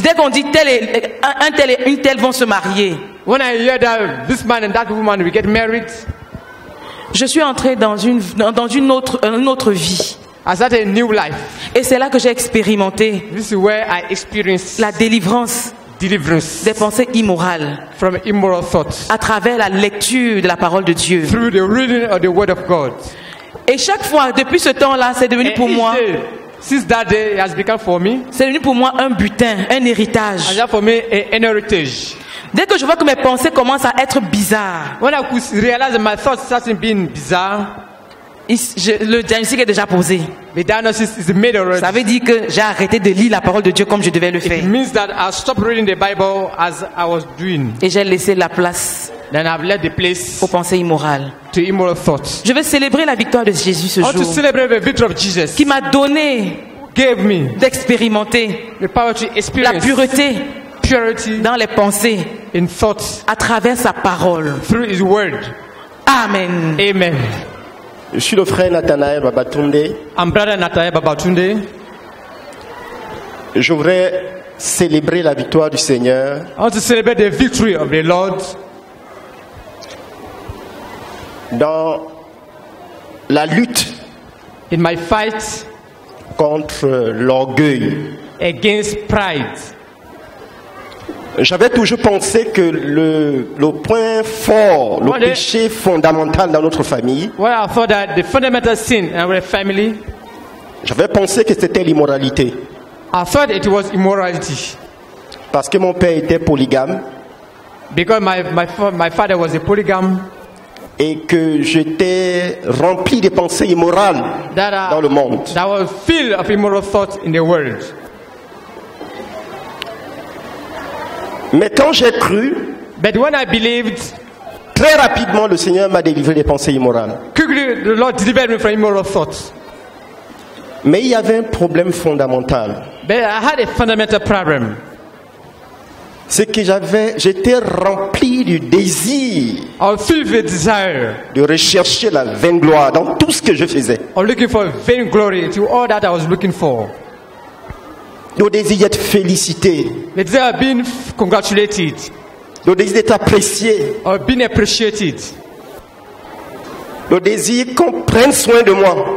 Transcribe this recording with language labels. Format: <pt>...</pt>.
<fr>Dès qu'on dit un tel et une telle vont se marier.</fr> <en>When I hear that this man and that woman will get married.</en> <fr>Je suis entré dans une autre vie.</fr> <en>I started a new life.</en> <fr>Et c'est là que j'ai expérimenté.</fr> <en>This is where I experienced</en> <fr>la délivrance.</fr> <en>Deliverance.</en> <fr>Des pensées immorales.</fr> <en>From immoral thoughts.</en> <fr>À travers la lecture de la parole de Dieu.</fr> <en>Through the reading of the word of God.</en> <fr>Et chaque fois, depuis ce temps-là, c'est devenu</fr> <en>and</en> <fr>pour moi.</fr> <en>Since that day, it has become for me.</en> <fr>C'est devenu pour moi un butin, un héritage.</fr> <en>And that for me, an heritage.</en> <fr>Dès que je vois que mes pensées commencent à être bizarres,</fr> <en>when I realize my thoughts start being bizarre,</en> <fr>le diagnostic est déjà posé.</fr> <en>The diagnosis is made already.</en> <fr>Ça veut dire que j'ai arrêté de lire la parole de Dieu comme je devais le faire.</fr> <en>It means that I stopped reading the Bible as I was doing.</en> <fr>Et j'ai laissé la place.</fr> <en>Then I've left the place</en> <fr>aux pensées immorales.</fr> <en>To immoral thoughts.</en> <fr>Je veux célébrer la victoire de Jésus ce jour.</fr> <en>I want to celebrate the victory of Jesus.</en> <fr>Qui m'a donné</fr> <en>gave me</en> <fr>d'expérimenter</fr> <en>the power to experience</en> <fr>la pureté.</fr> <en>Purity</en> <fr>dans les pensées</fr> <en>in thoughts,</en> <fr>à travers sa parole</fr> <en>through his word.</en> <fr>Amen.</fr> <en>Amen.</en> <fr>Je suis le frère Nathanael Babatunde.</fr> <en>I'm brother Nathanael Babatunde.</en> <fr>Je voudrais célébrer la victoire du Seigneur.</fr> <en>I want to celebrate the victory of the Lord.</en> <fr>Dans la lutte</fr> <en>in my fight</en> <fr>contre l'orgueil</fr> <en>against pride.</en> <fr>J'avais toujours pensé que le point fort, le péché fondamental dans notre famille,</fr> <en>well, I thought that the fundamental sin in our family,</en> <fr>j'avais pensé que c'était l'immoralité.</fr> <en>I thought it was immorality.</en> <fr>Parce que mon père était polygame.</fr> <en>Because my father was a polygam.</en> <fr>Et que j'étais rempli de pensées immorales dans le monde.</fr> <en>That I was filled of immoral thoughts in the world.</en> <fr>Mais quand j'ai cru,</fr> <en>but when I believed,</en> <fr>très rapidement le Seigneur m'a délivré des pensées immorales.</fr> <en>Quickly, the Lord delivered me from immoral thoughts.</en> <fr>Mais il y avait un problème fondamental.</fr> <en>But I had a fundamental problem.</en> <fr>C'est que j'étais rempli du désir.</fr> <en>I filled with desire.</en> <fr>De rechercher la vaine gloire dans tout ce que je faisais.</fr> <en>I'm looking for vain glory to all that I was looking for.</en> <fr>Le désir d'être félicité. Le désir d'être congratulé. Le désir d'être apprécié.</fr> <en>Or being appreciated.</en> <fr>Le désir qu'on prenne soin de moi.</fr>